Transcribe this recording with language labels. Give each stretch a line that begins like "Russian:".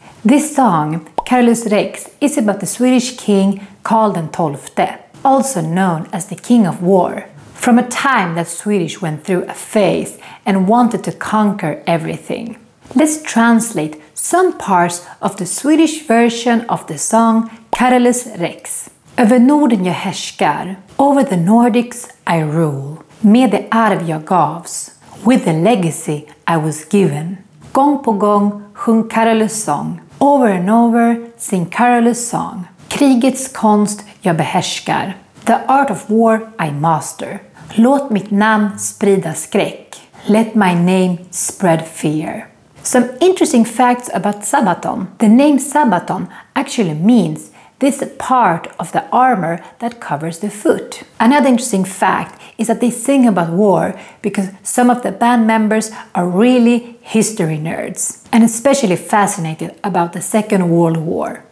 English: This song, Carolus Rex, is about the Swedish king Karl den XII, also known as the King of War. From a time that Swedish went through a phase and wanted to conquer everything. Let's translate some parts of the Swedish version of the song Carolus Rex.
Swedish: Över Norden jag härskar,
English: over the Nordics I rule.
Swedish: Med det arv jag gavs,
English: with the legacy I was given.
Swedish: Gång på gång sjung Carolus song,
English: over and over sing Carolus song.
Swedish: Krigets konst jag behärskar,
English: the art of war I master.
Swedish: Låt mitt namn sprida skräck,
English: let my name spread fear. Some interesting facts about Sabaton. The name Sabaton actually means this part of the armor that covers the foot. Another interesting fact is that they sing about war because some of the band members are really history nerds and especially fascinated about the Second World War.